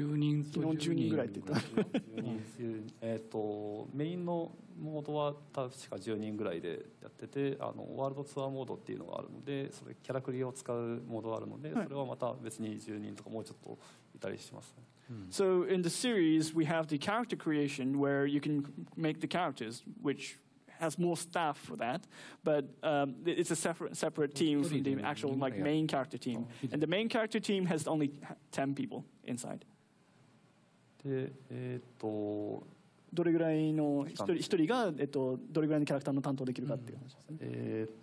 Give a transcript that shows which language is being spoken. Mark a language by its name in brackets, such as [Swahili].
[Japanese] 10人昨日10人ぐらいって言った 10人メインのモードは確か10人ぐらいでやってて、ワールドツアーモードっていうのがあるので、それキャラクリを使うモードがあるので、はい、それはまた別に10人とかもうちょっといたりしますね。 [English] So in the series we have the character creation where you can make the characters whichhas more staff for that, but it's a separate team from the actual like, main character team. And the main character team has only 10 people inside. [Japanese] で、どれぐらいの一人が、どれぐらいのキャラクターの担当できるかっていう話です